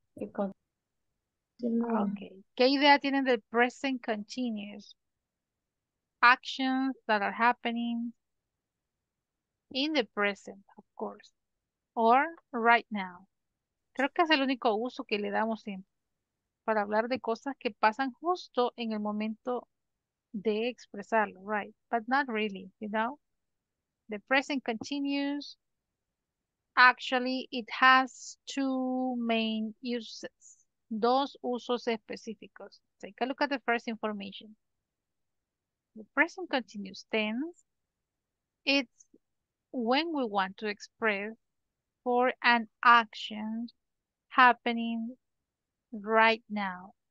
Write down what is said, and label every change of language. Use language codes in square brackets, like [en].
[es] Okay. ¿Qué idea tienen del present continuous? [en] Actions that are happening in the present, of course. Or right now. [es] Creo que es el único uso que le damos siempre para hablar de cosas que pasan justo en el momento de expresarlo, right? [en] But not really, you know? The present continuous, actually, it has two main uses. [es] Dos usos específicos. [en] Take a look at the first information. The present continuous tense, it's when we want to express for an action happening right now.